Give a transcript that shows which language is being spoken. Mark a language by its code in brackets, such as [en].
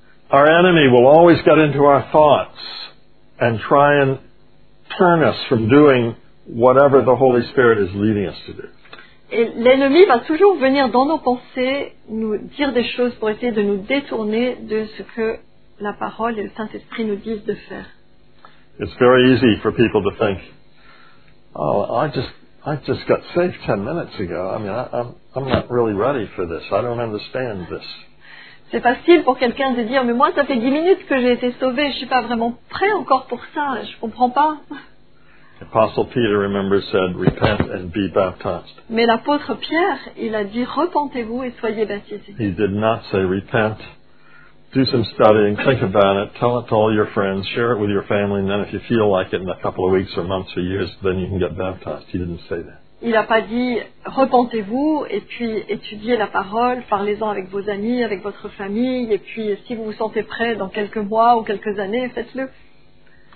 [en] Our enemy will always get into our thoughts and try and turn us from doing whatever the Holy Spirit is leading us to do. [fr] Et l'ennemi va toujours venir dans nos pensées nous dire des choses pour essayer de nous détourner de ce que la parole et le Saint-Esprit nous disent de faire. [en] It's very easy for people to think, oh, I just got saved 10 minutes ago. I mean, I'm not really ready for this. I don't understand this. [fr] C'est facile pour quelqu'un de dire, mais moi, ça fait 10 minutes que j'ai été sauvé. Je suis pas vraiment prêt encore pour ça. Je comprends pas. [en] Apostle Peter, remember, said, repent and be baptized. [fr] Mais l'apôtre Pierre, il a dit, repentez-vous et soyez baptisés. [en] He did not say, repent do some studying, think about it, tell it to all your friends, share it with your family, and then if you feel like it in a couple of weeks or months or years, then you can get baptized. He didn't say that. [fr] Il n'a pas dit « Repentez-vous et puis étudiez la parole, parlez-en avec vos amis, avec votre famille, et puis si vous vous sentez prêt dans quelques mois ou quelques années, faites-le. »